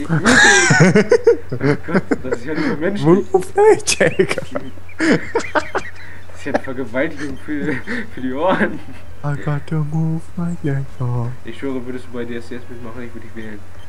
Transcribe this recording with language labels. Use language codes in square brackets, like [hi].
[de] Oh Gott, das ist ja nicht menschlich. [en] Move like Jagger. [de] Das ist ja eine Vergewaltigung für die Ohren. [en] I got to move like Jagger. [de] Ich schwöre, würdest du bei DSDS mitmachen, ich würde dich wählen.